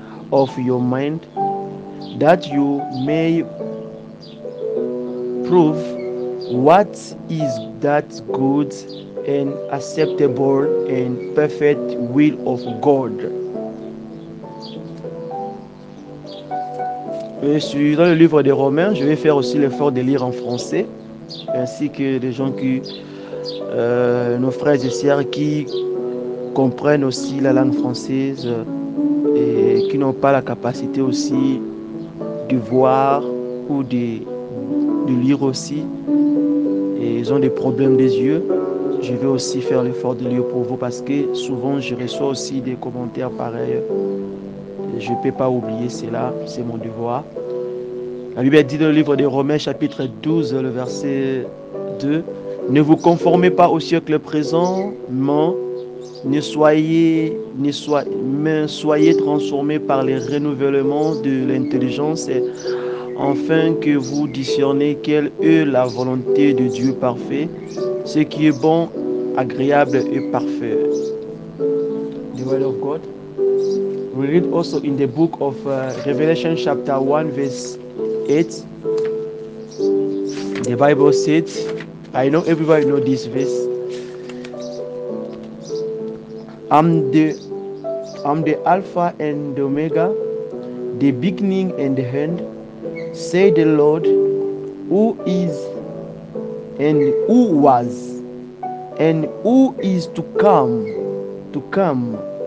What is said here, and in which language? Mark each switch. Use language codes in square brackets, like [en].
[en] of your mind, that you may prove what is that good and acceptable and perfect will of God. [fr] Je suis dans le livre des Romains. Je vais faire aussi l'effort de lire en français. ainsi que les gens qui, nos frères et sœurs qui comprennent aussi la langue française et qui n'ont pas la capacité aussi de voir ou de lire aussi. Et ils ont des problèmes des yeux. Je vais aussi faire l'effort de lire pour vous parce que souvent je reçois aussi des commentaires pareils. Je ne peux pas oublier cela, c'est mon devoir. La Bible dit dans le livre des Romains, chapitre 12, le verset 2, « Ne vous conformez pas au siècle présent, mais soyez transformés par les renouvellements de l'intelligence, afin que vous discerniez quelle est la volonté de Dieu parfait, ce qui est bon, agréable et parfait. » [en] The word of God. We read also in the book of Revelation chapter 1 verse 8. The Bible says, I know everybody knows this verse. I'm the Alpha and the Omega, the beginning and the end, say the Lord, who is and who was and who is to come.